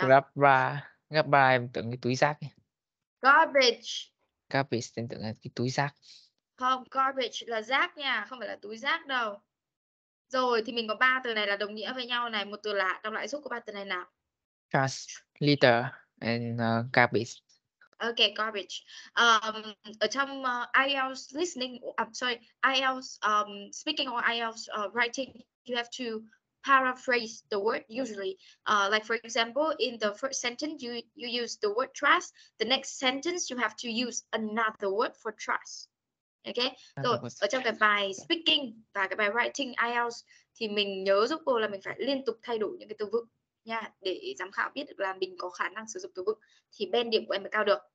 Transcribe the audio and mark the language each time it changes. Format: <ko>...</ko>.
<vi>Garage. Garage. Em tưởng cái túi rác.</vi> <en>Garbage.</en> <vi>Garbage. Em tưởng là cái túi rác. Không, garbage là rác nha, không phải là túi rác đâu. Rồi thì mình có ba từ này là đồng nghĩa với nhau này. Một từ là, đọc lại giúp có ba từ này nào.</vi> <en>Trash, litter and garbage. Okay, garbage.</en> <vi>Ở trong</vi> <en>IELTS listening, IELTS speaking or IELTS writing, you have to paraphrase the word usually. Like for example, in the first sentence you use the word trust. The next sentence you have to use another word for trust. Okay.</en> <vi>Rồi ở trong cái bài speaking và cái bài writing IELTS thì mình nhớ giúp cô là mình phải liên tục thay đổi những cái từ vựng nha để giám khảo biết được là mình có khả năng sử dụng từ vựng thì bên điểm của em mới cao được.</vi>